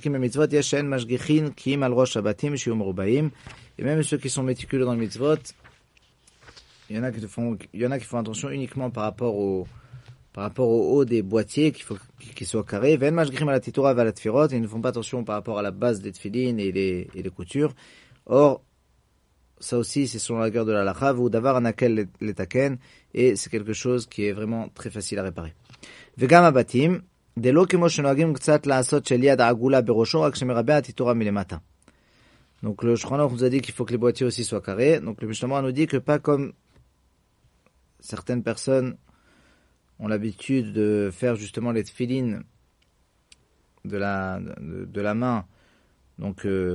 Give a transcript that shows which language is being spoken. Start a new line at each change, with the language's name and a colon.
French: Et même ceux qui sont méticuleux dans le mitzvot, il y en a qui font attention uniquement par rapport au haut des boîtiers, qu'il faut qu'ils soient carrés. Et ils ne font pas attention par rapport à la base des tefillin et les coutures. Or, ça aussi, c'est selon la guerre de la lacha, ou d'avoir un akel l'étaken, et c'est quelque chose qui est vraiment très facile à réparer.
Hebrew: וגם הבתים, דלו כמו שנוהגים קצת לעשות של יד העגולה בראשו, רק שמרבה התיתורה מלמטה.
French: Donc le Shulchan Aruch nous a dit qu'il faut que les boîtiers aussi soient carrés. Donc le Mishnah Brura nous dit que pas comme certaines personnes ont l'habitude de faire justement les tefillin de la main, donc